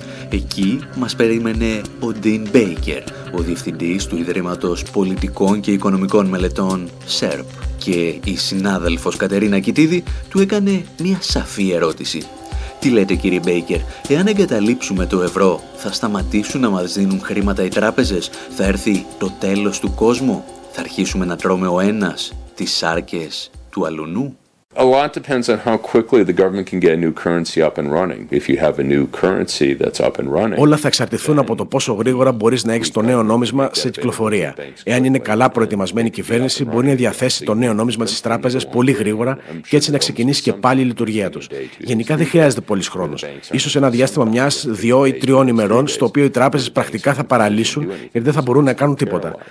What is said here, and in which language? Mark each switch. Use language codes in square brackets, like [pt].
[el] Εκεί μας περίμενε ο Ντίν Μπέικερ, ο διευθυντής του Ιδρύματος Πολιτικών και Οικονομικών Μελετών ΣΕΡΠ, και η συνάδελφος Κατερίνα Κιτίδη του έκανε μία σαφή ερώτηση. Τι λέτε κύριε Μπέικερ, εάν εγκαταλείψουμε το ευρώ, θα σταματήσουν να μας δίνουν χρήματα οι τράπεζες, θα έρθει το τέλος του κόσμου, θα αρχίσουμε να τρώμε ο ένας τις σάρκες του αλουνού? [en] A lot depends on how quickly the government can get a new currency up and running. If you have a new currency that's up and running. [el] Όλα θα εξαρτηθούν από το πόσο γρήγορα μπορείς να έχεις το νέο νόμισμα σε κυκλοφορία. Εάν είναι καλά προετοιμασμένη η κυβέρνηση, μπορεί να διαθέσει το νέο νόμισμα στις τράπεζες πολύ γρήγορα και έτσι να ξεκινήσει και πάλι η λειτουργία τους. Γενικά δεν χρειάζεται πολύς χρόνος. Ίσως ένα διάστημα μιας, δύο ή τριών ημερών, στο οποίο οι τράπεζες πρακτικά θα παραλύσουν, γιατί δεν θα μπορούν να κάνουν τίποτα.